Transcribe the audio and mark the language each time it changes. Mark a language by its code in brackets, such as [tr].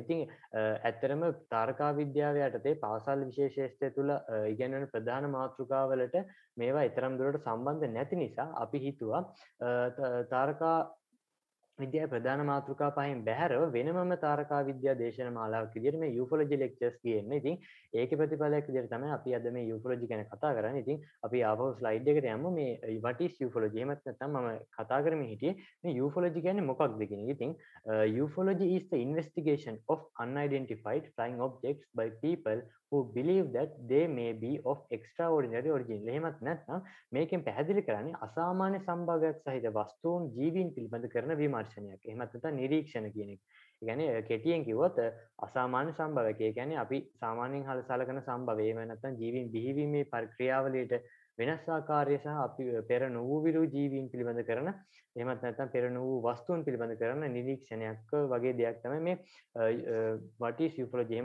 [si] ඉතින් ඇත්තටම තාරකා විද්‍යාව යටතේ පාසල් විශේෂාංශය තුළ ඉගෙන ගන්න ප්‍රධාන මාතෘකාවලට මේවා ඊතරම් දුරට සම්බන්ධ නැති නිසා අපි හිතුවා තාරකා විද්‍යාවේ ප්‍රධාන මාතෘකා පහෙන් බැහැරව වෙනමම තාරකා විද්‍යා දේශන මාලාවක් විදිහට මේ යූෆොලොජි ලෙක්චර්ස් කියන්නේ. ඉතින් ඒකේ ප්‍රතිඵලයක් විදිහට තමයි අපි අද මේ යූෆොලොජි ගැන කතා කරන්නේ. ඉතින් අපි ආපහු ස්ලයිඩ් එකට යමු මේ [en] what is [si] යූෆොලොජි. එහෙමත් නැත්නම් මම කතා කරමින් හිටියේ මේ යූෆොලොජි කියන්නේ මොකක්ද කියන එක. ඉතින් යූෆොලොජි [en] is the investigation of unidentified flying objects by people who believe that they may be of extraordinary origin. [si] එහෙමත් නැත්නම් මේකෙන් පැහැදිලි කරන්නේ අසාමාන්‍ය සම්භාව්‍යයක් සහිත වස්තුන් ජීවීන් පිළිබඳ කරන විමර්ශනයක්. එහෙමත් නැත්නම් නිරීක්ෂණ කියන එක. ඒ කියන්නේ කෙටියෙන් කිව්වොත් අසාමාන්‍ය සම්භාව්‍යක. ඒ කියන්නේ අපි සාමාන්‍යයෙන් හලසලකන සම්භාව්‍ය. එහෙම නැත්නම් ජීවීන් බිහිවීමේ ප්‍රක්‍රියාවලියට වෙනස් ආකාරය සහ අපි පෙර නොවූ ජීවීන් පිළිබඳ කරන එහෙමත් නැත්නම් පෙර නොවූ වස්තුන් පිළිබඳ කරන නිරීක්ෂණයක් වගේ දෙයක් තමයි මේ [en] what is [si] යූෆොලොජි.